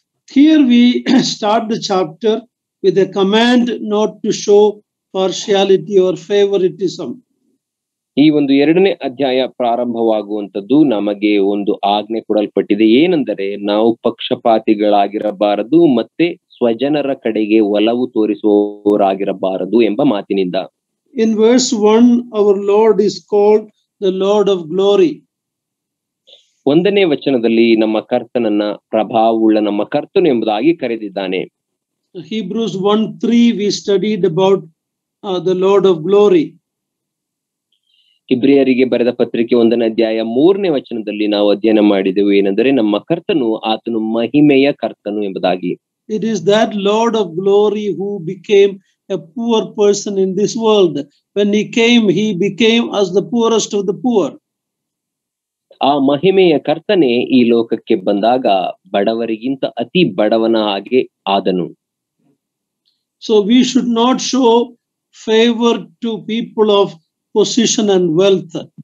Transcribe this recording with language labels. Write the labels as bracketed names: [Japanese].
[English] Here we start the chapter with a command not to show partiality or favoritism. [Kannada] ಈ ಒಂದು ಎರಡನೇ ಅಧ್ಯಾಯ ಪ್ರಾರಂಭವಾಗುವಂತದ್ದು ನಮಗೆ ಒಂದು ಆಜ್ಞೆ ಕೊಡಲ್ಪಟ್ಟಿದೆ, ಏನೆಂದರೆ ನಾವು ಪಕ್ಷಪಾತಿಗಳಾಗಿರಬಾರದು ಮತ್ತೆ ಸ್ವಜನರ ಕಡೆಗೆ ಒಲವು ತೋರಿಸುವವರಾಗಿರಬಾರದು ಎಂಬ ಮಾತಿನಿಂದ. [English] In verse 1, our Lord is called the Lord of Glory. [Kannada] 1 ವಚನದಲ್ಲಿ ನಮ್ಮ ಕರ್ತನನ್ನ ಪ್ರಭಾವವುಳ್ಳ ನಮ್ಮ ಕರ್ತನು ಎಂಬುದಾಗಿ ಕರೆದಿದ್ದಾನೆ. [English] Hebrews 1:3 we studied about the Lord of Glory. [Kannada] ಇಬ್ರಿಯರಿಗೆ ಬರೆದ ಪತ್ರಿಕೆ 1:3 ವಚನದಲ್ಲಿ ನಾವು ಅಧ್ಯಯನ ಮಾಡಿದೆವು ಏನೆಂದರೆ, ನಮ್ಮ ಕರ್ತನು ಆತನು ಮಹಿಮೆಯ ಕರ್ತನು ಎಂಬುದಾಗಿ. [English] It is that Lord of Glory who became a poor person in this world. When he became as the poorest of the poor. [Kannada] ಆ ಮಹಿಮೆಯ ಕರ್ತನೇ ಈ ಲೋಕಕ್ಕೆ ಬಂದಾಗ ಬಡವರಿಗಿಂತ ಅತಿ ಬಡವನ ಹಾಗೆ ಆದನು. [English] So we should not show favor to people of position and wealth.